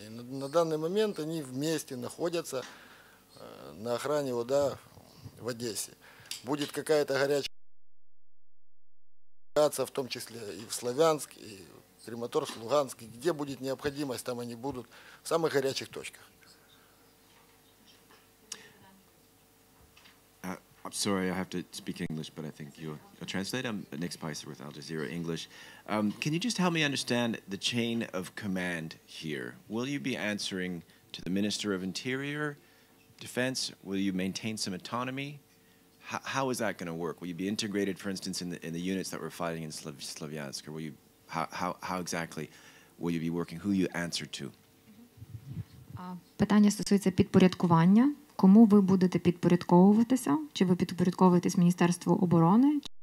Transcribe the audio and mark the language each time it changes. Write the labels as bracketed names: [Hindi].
[Ukrainian] І на даний момент вони вместе знаходяться на охрані вода в Одесі. Буде якась гаряча, в тому числі і в Слов'янськ, і Крематорськ, Луганський, де буде необхідність, там вони будуть в самих гарячих точках. [English] I'm sorry, I have to speak English, but I think you're a translator. I'm Nick Spicer with Al Jazeera English. Can you just help me understand the chain of command here? Will you be answering to the Minister of Interior, Defense? Will you maintain some autonomy? How is that going to work? Will you be integrated, for instance, in the units that were fighting in Slavyansk? Or will you, how exactly will you be working? Who you answer to? [Ukrainian] Питання стосується підпорядкування. Кому ви будете підпорядковуватися? Чи ви підпорядковуєтесь Міністерству оборони?